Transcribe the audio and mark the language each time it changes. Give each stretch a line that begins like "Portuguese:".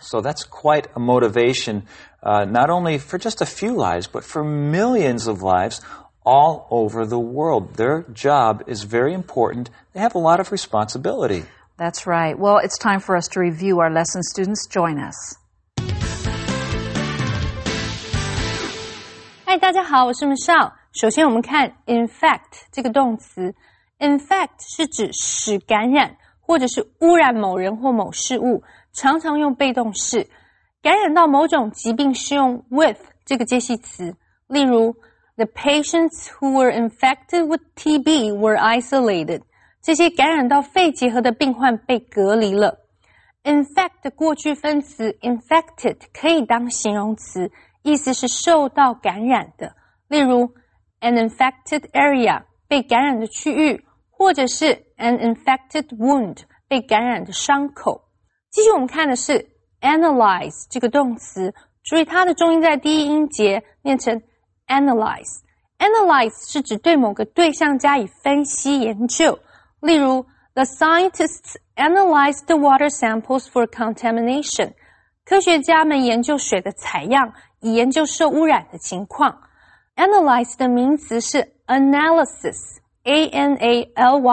English: So that's quite a motivation, not only for just a few lives, but for millions of lives all over the world. Their job is very important. They have a lot of responsibility. That's right. Well, it's time for us to review our lesson. Students, join us.
Chinese: Hi, 大家好，我是 Michelle。首先我们看 infect 这个动词。 infect 是指使感染或者是污染某人或某事物，常常用被动式。感染到某种疾病是用 with 这个介系词。例如
English: ,the patients who were infected with TB were isolated.
Chinese: 这些感染到肺结核的病患被隔离了。Infect 的过去分词 infected 可以当形容词，意思是受到感染的。例如 ,
English: an infected area,
Chinese: 被感染的区域，或者是 ,
English: an infected wound,
Chinese: 被感染的伤口。继续我们看的是 analyze 这个动词，注意它的重音在第一音节，念成 analyze。 analyze 是指对某个对象加以分析研究。例如
English: ,the scientists analyzed the water samples for contamination.
Chinese: 科学家们研究水的采样以研究受污染的情况。 analyze 的名词是 analysis, A-N-A-L-Y-S-I-S。